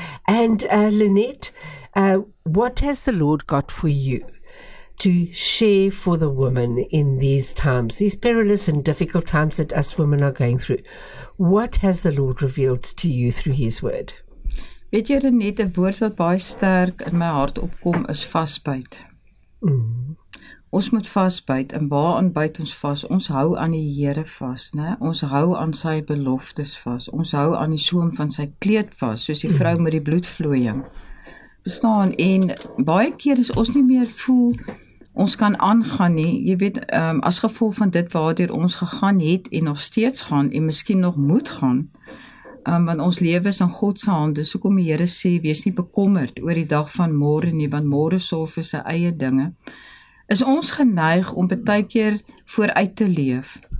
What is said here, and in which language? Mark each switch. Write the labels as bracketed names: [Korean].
[English] And Lynette, what has the Lord got for you to share for the women in these times, these perilous and difficult times that us women are going through? What has the Lord revealed to you through his word? [Afrikaans] Weet jy, Renette, die woord wat baie sterk in my hart opkom is vasbyt. Ons moet vasbyt, en waaraan byt ons vas? Ons hou aan die Here vas, né? Ons hou aan sy beloftes vas. Ons hou aan die soem van sy kleed vas, soos die vrou met die bloedvloeiing. Bestaan, en baie keer is ons nie meer voel ons kan aangaan nie, jy weet, as gevolg van dit waardeur ons gegaan het en nog steeds gaan en miskien nog moet gaan, want ons lewe is in Godse hand, dus ook om die Here sê, wees nie bekommerd oor die dag van môre nie, want môre sorg vir sy eie dinge, is ons geneig om baie keer vooruit te leef.